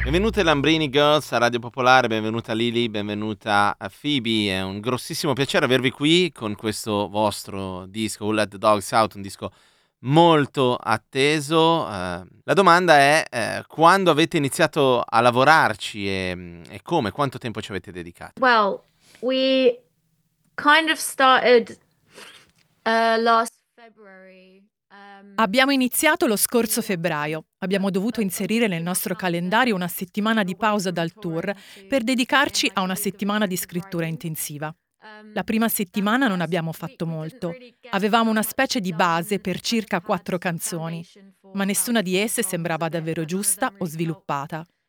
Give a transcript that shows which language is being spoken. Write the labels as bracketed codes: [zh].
[it] Ascoltate Lambrini Girls a Radio Popolare, benvenuta Lily, benvenuta Phoebe, è un grossissimo piacere avervi qui con questo vostro disco, Who Let the Dogs Out, un disco molto atteso. La domanda è, quando avete iniziato a lavorarci e come, quanto tempo ci avete dedicato? [en] Well, we kind of started last February. [it] Abbiamo iniziato lo scorso febbraio. Abbiamo dovuto inserire nel nostro calendario una settimana di pausa dal tour per dedicarci a una settimana di scrittura intensiva. La prima settimana non abbiamo fatto molto. Avevamo una specie di base per circa 4 canzoni, ma nessuna di esse sembrava davvero giusta o sviluppata.